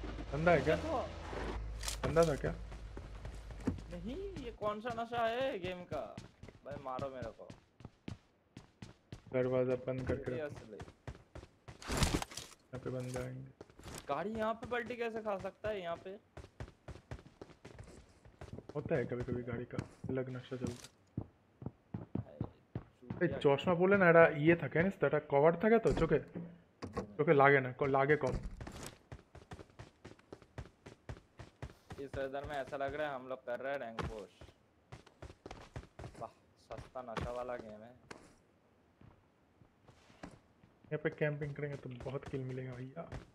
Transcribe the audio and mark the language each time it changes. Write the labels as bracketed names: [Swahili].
[Hindi] धंधा है क्या धंधा था क्या नहीं ये कौन सा नशा है गेम का भाई मारो मेरे को दरवाजा बंद करके यहाँ पे बंद करेंगे गाड़ी यहाँ पे पलटी कैसे खा सकता है यहाँ पे होता है कभी कभी गाड़ी का अलग नशा चलता [Bangla] এই চশমা বলে না এটা ইয়ে থাকে জানিস তো এটা কভার থাকে তো চোখে চোখে লাগে না লাগে কম [Hindi] इस वेदर में ऐसा लग रहा है हम लोग कर रहे हैं रैंक पुश वाह सस्ता नशा वाला गेम है यहाँ पे कैंपिंग करेंगे तो बहुत किल मिलेगा भैया